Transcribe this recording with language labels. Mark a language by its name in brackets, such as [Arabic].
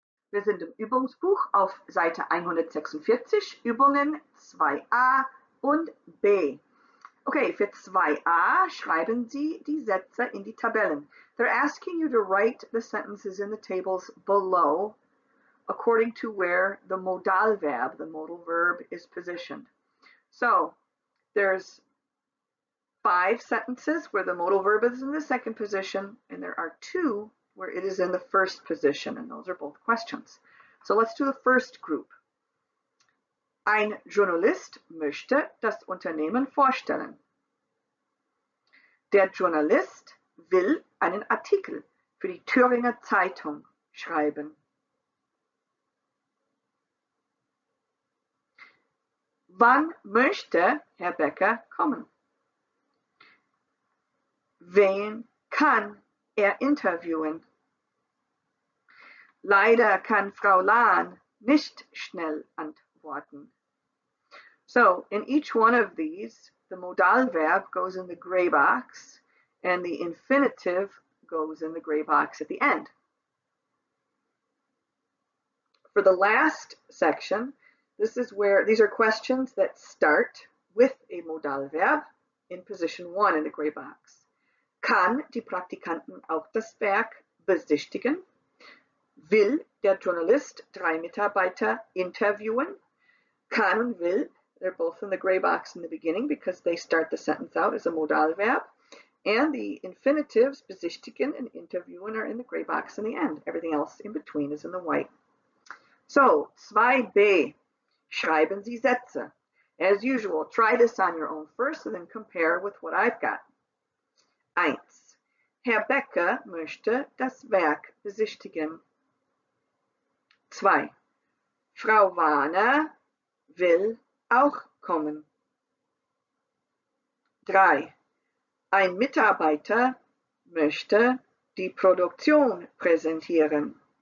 [German] Wir sind im Übungsbuch auf Seite 146, Übungen 2a und b. Okay, für 2a schreiben Sie die Sätze in die Tabellen. [English] They're asking you to write the sentences in the tables below according to where the modal verb, the modal verb, is positioned. So, there's 5 sentences where the modal verb is in the second position, and there are 2 where it is in the first position, and those are both questions. So let's do the first group. [German] Ein Journalist möchte das Unternehmen vorstellen. Der Journalist will einen Artikel für die Thüringer Zeitung schreiben. Wann möchte Herr Becker kommen? Wen kann er interviewen? Leider kann Frau Lahn nicht schnell antworten. [English] So, in each one of these, the modal verb goes in the gray box and the infinitive goes in the gray box at the end. For the last section, this is where these are questions that start with a modal verb in position 1 in the gray box. [German] Kann die Praktikantin auch das Werk besichtigen? Will der Journalist 3 Mitarbeiter interviewen? [English] Kann und will, they're both in the gray box in the beginning because they start the sentence out as a modal verb. And the infinitives, besichtigen and interviewen, are in the gray box in the end. Everything else in between is in the white. [German] So, 2b, schreiben Sie Sätze. [English] As usual, try this on your own first and then compare with what I've got. 1. [German] Herr Becker möchte das Werk besichtigen. 2. Frau Warner will auch kommen. 3. Ein Mitarbeiter möchte die Produktion präsentieren.